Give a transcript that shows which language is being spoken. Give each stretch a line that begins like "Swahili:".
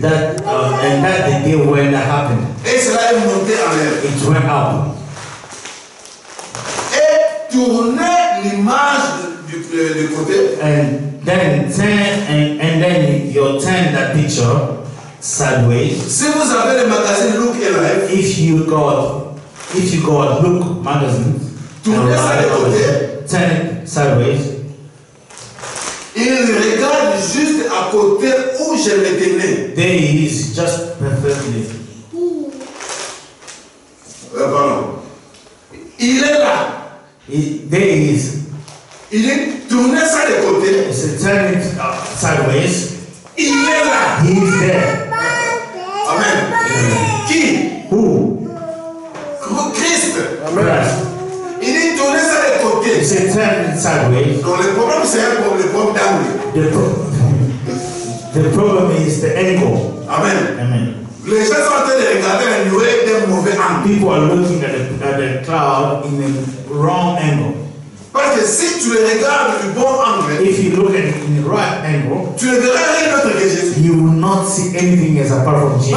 English: That and that the day when that happened.
French: Et cela est monté en l'air.
English: It went up.
French: Et tourner l'image du côté.
English: And then turn and then your turn that picture. sideways.
French: Si vous avez le magazine Look et Life,
English: if you got Look magazine,
French: tournez ça de côté.
English: Turn it sideways.
French: Il regarde juste à côté où je me tenais.
English: There he is, just perfectly.
French: Pardon. Il est là.
English: There he is.
French: Il est tourné ça de côté.
English: He said, turn it sideways.
French: Il est là.
English: He is there.
French: Amen. Qui?
English: Who? Christ. Amen. Christ.
French: Il est tourné ça de côté.
English: He said, turn it sideways.
French: Donc le problème c'est un problème, le problème d'angle.
English: The problem is the angle.
French: Amen.
English: Amen.
French: Les gens sont en train de regarder un nuage de mauvais angle.
English: People are looking at the cloud in a wrong angle.
French: Parce que si tu le regardes du bon angle,
English: if you look at it in the right angle,
French: tu ne verras rien d'autre que Jésus.
English: You will not see anything as apart from Jesus.